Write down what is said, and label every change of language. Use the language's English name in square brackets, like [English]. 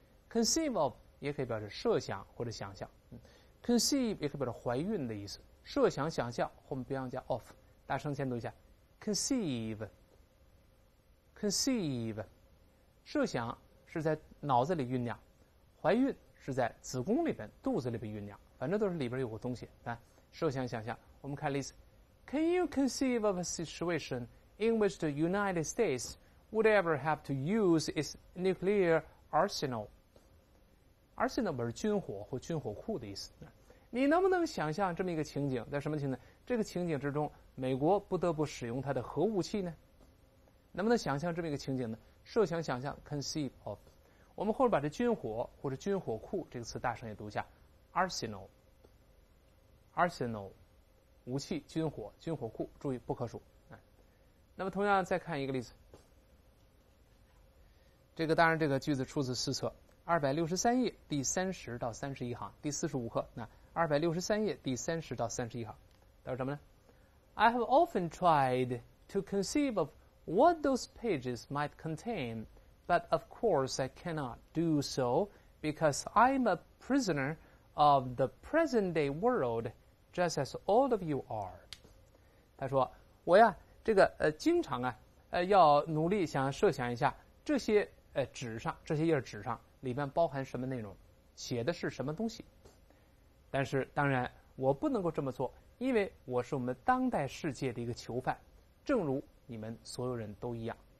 [Chinese] conceive of 也可以表示设想或者想象。conceive 也可以表示怀孕的意思，设想想象后面不要加 of。大声先读一下 conceive conceive。设想是在脑子里酝酿，怀孕是在子宫里边肚子里边酝酿，反正都是里边有个东西。设想想象，我们看例子。 [English] Can you conceive of a situation in which the United States would ever have to use its nuclear arsenal？ [Chinese] Arsenal 不是军火或军火库的意思。你能不能想象这么一个情景？在什么情景？这个情景之中，美国不得不使用它的核武器呢？能不能想象这么一个情景呢？设想想象 conceive of。我们后面把这军火或者军火库这个词大声也读一下 arsenal arsenal， 武器、军火、军火库，注意不可数。那么同样再看一个例子，这个当然，这个句子出自四册，263页第30到31行，第45课。那263页第30到31行，它说什么呢 [English] ？I have often tried to conceive of what those pages might contain, but of course I cannot do so because I'm a prisoner of the present-day world, just as all of you are。 [Chinese] 他说：“我呀，这个经常啊，要努力想设想一下这些。” 纸上这些页纸上里面包含什么内容，写的是什么东西，但是当然我不能够这么做，因为我是我们当代世界的一个囚犯，正如你们所有人都一样。